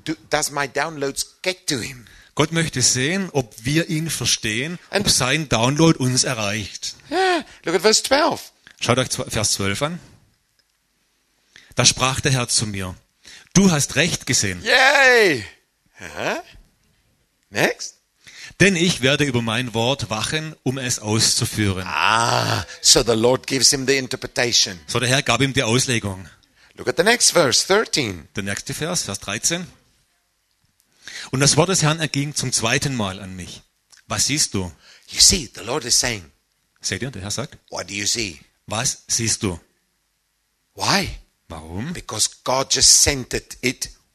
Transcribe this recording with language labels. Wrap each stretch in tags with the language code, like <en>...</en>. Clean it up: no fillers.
<en>Does my downloads get to him?</en> <de>Gott möchte sehen, ob wir ihn verstehen, ob sein Download uns erreicht.</de> <en>Yeah, look at verse 12.</en> <de>Schaut euch Vers 12 an. Da sprach der Herr zu mir: Du hast recht gesehen.</de> <en>Yay! Next.</en> <de>Denn ich werde über mein Wort wachen, um es auszuführen.</de> <en>So the Lord gives him the interpretation.</en> <de>So der Herr gab ihm die Auslegung.</de> <en>Look at the next verse, 13.</en> <de>Der nächste Vers, Vers 13. Und das Wort des Herrn erging zum zweiten Mal an mich. Was siehst du?</de> <en>You see, the Lord is saying.</en> <de>Seht ihr, der Herr sagt.</de> <en>What do you see?</en> <de>Was siehst du?</de> <en>Why?</en> <de>Warum?</de> <en>Because God just sent it.</en>